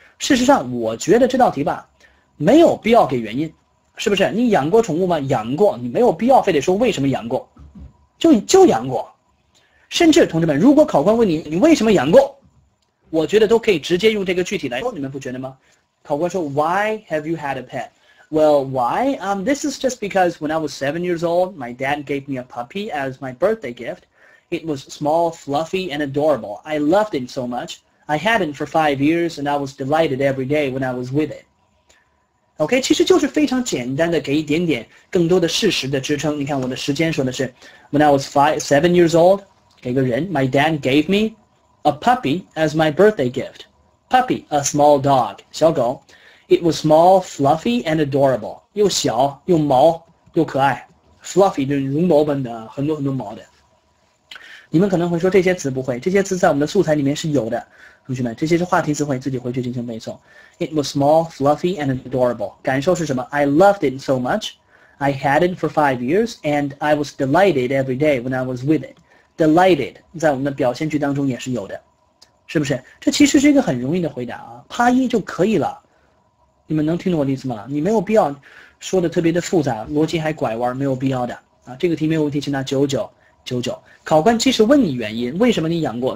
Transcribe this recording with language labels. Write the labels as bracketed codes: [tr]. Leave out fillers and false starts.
[zh] 事实上，我觉得这道题吧，没有必要给原因，是不是？你养过宠物吗？养过，你没有必要非得说为什么养过，就养过。甚至同志们，如果考官问你你为什么养过，我觉得都可以直接用这个具体来说，你们不觉得吗？考官说 [en] Why have you had a pet？ Well, why? This is just because when I was 7 years old, my dad gave me a puppy as my birthday gift. It was small, fluffy, and adorable. I loved it so much. I had it for 5 years, and I was delighted every day when I was with it. [zh] OK, 其实就是非常简单的给一点点更多的事实的支撑。你看我的时间说的是 , [en] When I was 7 years old, [zh] 给个人 [en] my dad gave me a puppy as my birthday gift. Puppy, a small dog, [zh] 小狗。 [en] It was small, fluffy, and adorable. [zh] 又小又毛又可爱。Fluffy, 就是绒毛般的很多很多毛的。你们可能会说这些词不会，这些词在我们的素材里面是有的，同学们，这些是话题词汇，自己回去进行背诵。 [en] It was small, fluffy, and adorable. [zh] 感受是什么 [en] ？I loved it so much. I had it for 5 years, and I was delighted every day when I was with it. [zh] Delighted 在我们的表现句当中也是有的，是不是？这其实是一个很容易的回答啊，啪一就可以了。你们能听懂我的意思吗？你没有必要说的特别的复杂，逻辑还拐弯，没有必要的啊。这个题没有问题，请拿99。考官即使问你原因，为什么你养过？